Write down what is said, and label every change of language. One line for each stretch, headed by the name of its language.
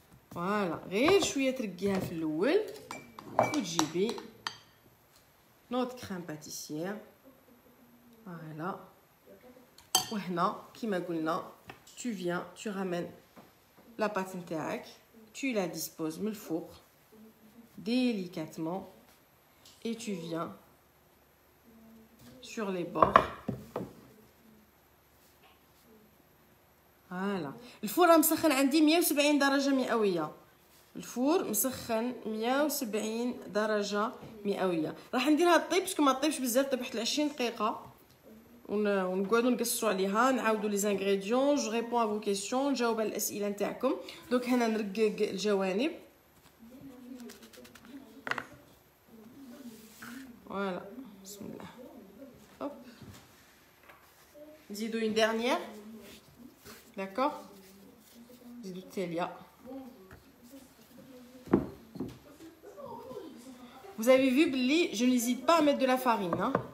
Arabic: فوالا غير شويه ترقيها في الاول وتجيبي نوت كريم باتيسيير فوالا وهنا كيما قلنا
French: tu viens tu ramènes la pâte
Arabic: nتاعك
French: tu la disposes
Arabic: من الفوق
French: délicatement et tu viens sur les bords. Voilà. Le four est
Arabic: مسخن عندي 170 درجة مئوية. الفور مسخن 170 درجة مئوية. راح نديرها طيب باش ما طيبش بزاف طيبت 20 دقيقة. ونقعدوا نقصوا عليها نعاودوا لي زانغريديون
French: جو ريبون ا فو كيسيون
Arabic: نجاوب على الاسئله نتاعكم دونك هنا نرقق الجوانب فوالا بسم الله هوب نزيدو اون ديرنيير داكور نزيدو التاليه
French: vous avez vu
Arabic: بلي
French: je n'hésite pas à mettre de la farine hein.